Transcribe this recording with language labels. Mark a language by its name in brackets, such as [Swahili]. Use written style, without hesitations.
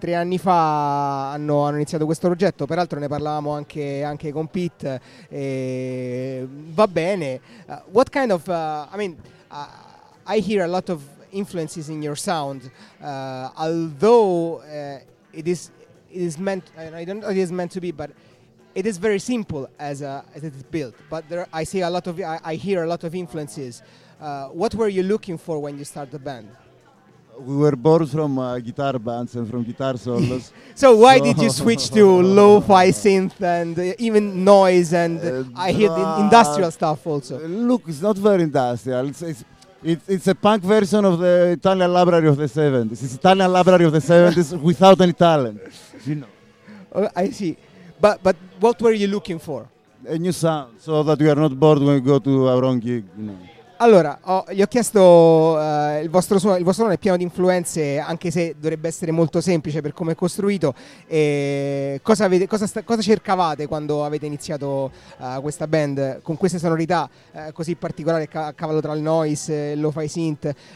[Italian] 3 anni fa hanno iniziato questo progetto, peraltro ne parlavamo anche con Pete. E va bene. [English] What kind of I hear a lot of influences in your sound, although it is meant to be, but it is very simple as it is built. But there I hear a lot of influences. What were you looking for when you started the band? We were born from guitar bands and from guitar solos. So why did you switch to lo-fi synth and even noise and I hear the industrial stuff also? Look, it's not very industrial. It's a punk version of the Italian Library of the 70s. It's Italian Library of the 70s without any talent. You know. Oh, I see. But what were you looking for? A new sound, so that we are not bored when we go to our own gig, you know. [Italian] Allora, gli ho chiesto il vostro suono è pieno di influenze, anche se dovrebbe essere molto semplice per come è costruito. E cosa cercavate quando avete iniziato questa band con queste sonorità così particolari, a cavallo tra il noise e il lo-fi synth?